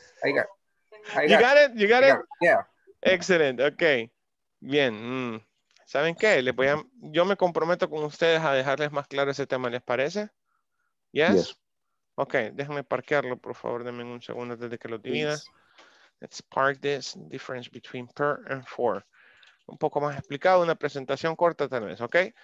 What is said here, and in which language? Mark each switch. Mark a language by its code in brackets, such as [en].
[en] I got it. You got it? Yeah. Excellent. Ok. [es] Bien, ¿saben qué? Yo me comprometo con ustedes a dejarles más claro ese tema, ¿les parece? Yes. Ok, déjame parquearlo, por favor, denme un segundo desde que lo divida. [en] Let's park this difference between per and for. [es] Un poco más explicado, una presentación corta tal vez, ¿ok?